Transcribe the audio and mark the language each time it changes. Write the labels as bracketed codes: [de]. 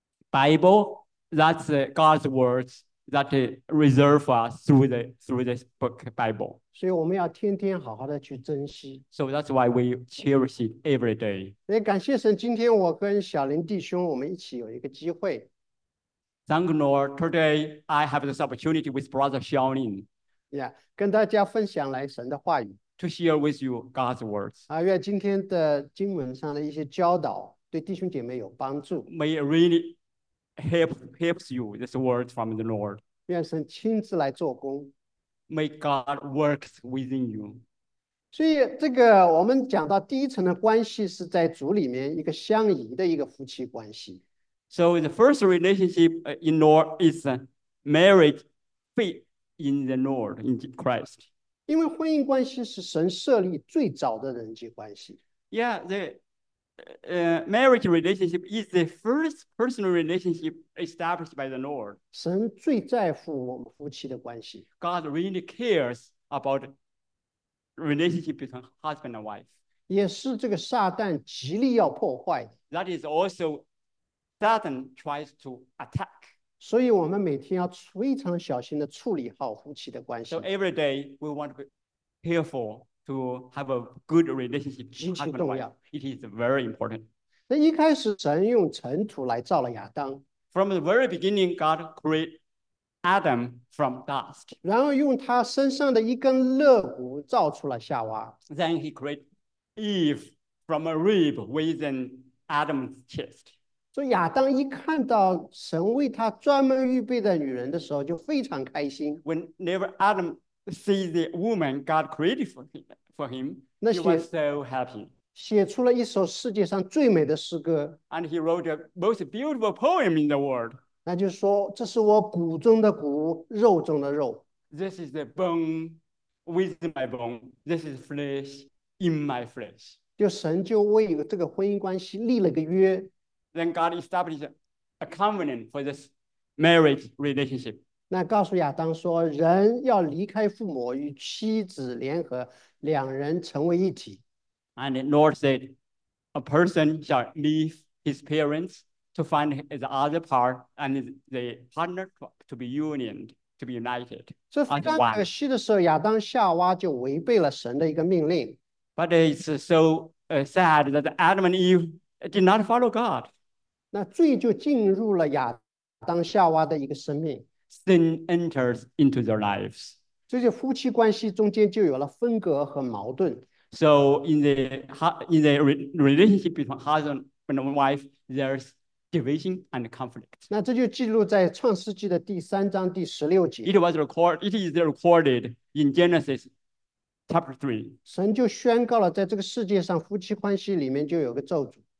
[en] Bible, that's God's words that reserve us through the book Bible. [zh] 所以我们要天天好好的去珍惜。 [en] So that's why we cherish it every day. [zh] 也感谢神，今天我跟小林弟兄我们一起有一个机会。 [en] Thank Lord, today I have this opportunity with Brother Xiaolin. [zh] Yeah, 跟大家分享来神的话语。 [en] To share with you God's words. [zh] 愿今天的经文上的一些教导对弟兄姐妹有帮助。 [en] May it really helps you this word from the Lord. [zh] 愿神亲自来做工。 [en] May God work within you. [zh] 所以这个我们讲到第一层的关系是在主里面一个相宜的一个夫妻关系。 [en] So the first relationship in Lord is marriage, faith in the Lord, in Christ. [zh] 因为婚姻关系是神设立最早的人际关系。 [en] Yeah, the marriage relationship is the first personal relationship established by the Lord. [zh] 神最在乎我们夫妻的关系。 [en] God really cares about relationship between husband and wife. [zh] 也是这个撒旦极力要破坏的。 [en] That is also Satan tries to attack. [zh] 所以我们每天要非常小心地处理好夫妻的关系。 [en] So every day we want to be careful to have a good relationship with husband and wife. It is very important. [zh] 那一开始神用尘土来造了亚当。 [en] From the very beginning, God created Adam from dust. [zh] 然后用他身上的一根肋骨造出了夏娃。 [en] Then he created Eve from a rib within Adam's chest. [zh] 所以亚当一看到神为他专门预备的女人的时候，就非常开心。 [en] Whenever Adam sees the woman God created for him, he was so happy. [zh] 写出了一首世界上最美的诗歌。 [en] And he wrote the most beautiful poem in the world. [zh] 那就是说，这是我骨中的骨，肉中的肉。 [en] This is the bone within my bone. This is flesh in my flesh. [zh] 就神就为这个婚姻关系立了个约。 [en] Then God established a covenant for this marriage relationship. [zh] 那告诉亚当说，人要离开父母，与妻子联合，两人成为一体。 [en] And the Lord said, a person shall leave his parents to find his other part and the partner to be unioned, to be united as one. [zh] 这非常可惜的时候，亚当夏娃就违背了神的一个命令。 [en] But it's so sad that Adam and Eve did not follow God. [zh] 那罪就进入了亚当夏娃的一个生命。 [en] Sin enters into their lives. [zh] 这就夫妻关系中间就有了分隔和矛盾。 [en] So in the relationship between husband and wife, there's division and conflict. [zh] 那这就记录在创世纪的第三章第十六节。 [en] It is recorded in Genesis chapter 3. [zh] 神就宣告了，在这个世界上夫妻关系里面就有个咒诅。